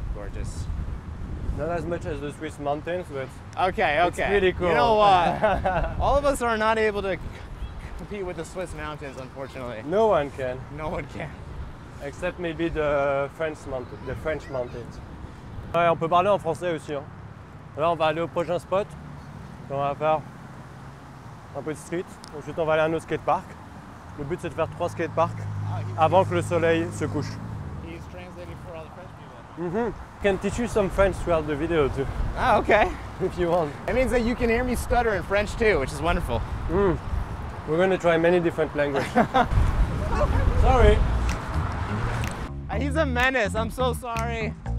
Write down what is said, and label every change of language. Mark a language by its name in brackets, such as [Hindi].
[English] Gorgeous. Not as much as the Swiss mountains, but okay. It's pretty cool. You know what? All of us are not able to compete with the Swiss mountains, unfortunately. No one can. No one can. Except maybe the French mountains. [French] Ouais, on peut parler en français aussi. Hein. Là, on va aller au prochain spot. On va faire un peu de street. Ensuite, on va aller à notre skatepark. Le but, c'est de faire trois skateparks avant que le soleil se couche. [English] He's translating for all the French people. Mm-hmm. Can teach you some French throughout the video too. Ah, okay. If you want. It means that you can hear me stutter in French too, which is wonderful. Mm. We're going to try many different languages. Sorry. He's a menace. I'm so sorry.